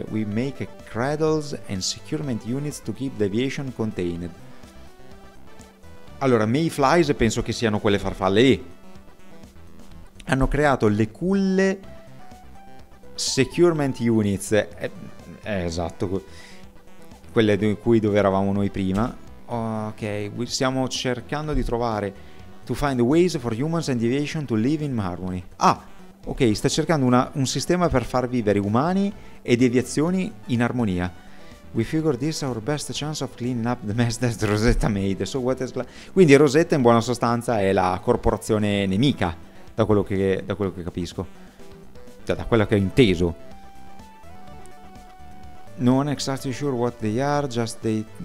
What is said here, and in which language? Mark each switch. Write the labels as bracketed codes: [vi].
[en] We make cradles and securement units to keep deviation contained. [it] Allora, Mayflies penso che siano quelle farfalle lì. Hanno creato le culle securement units. Esatto, quelle di cui dove eravamo noi prima. [en] Ok, [it] stiamo cercando di trovare [en] to find ways for humans and deviation to live in harmony. [it] Ah, ok, sta cercando un sistema per far vivere umani e deviazioni in armonia. [en] We figure this our best chance of cleaning up the mess that Rosetta made. So what is [it] quindi Rosetta in buona sostanza è la corporazione nemica, da quello che capisco, da quello che ho inteso. [en] Non exactly sure what they are, just they...